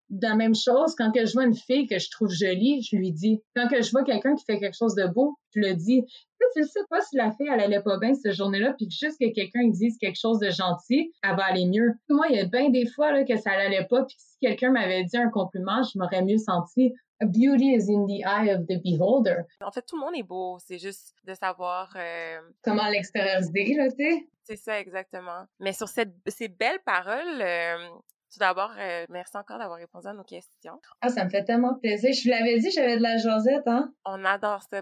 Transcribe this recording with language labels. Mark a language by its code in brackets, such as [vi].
[fr] De la même chose, quand que je vois une fille que je trouve jolie, je lui dis. Quand que je vois quelqu'un qui fait quelque chose de beau, je le dis. Tu sais pas si la fille, elle allait pas bien cette journée-là, puis juste que quelqu'un dise quelque chose de gentil, elle va aller mieux. Moi, il y a bien des fois là que ça allait pas, puis si quelqu'un m'avait dit un compliment, je m'aurais mieux senti. [en] A beauty is in the eye of the beholder. [fr] En fait, tout le monde est beau, c'est juste de savoir... comment l'extérioriser, là, tu sais. C'est ça, exactement. Mais sur ces belles paroles... Tout d'abord, merci encore d'avoir répondu à nos questions. Ah, ça me fait tellement plaisir. Je vous l'avais dit, j'avais de la jasette, hein? On adore ça.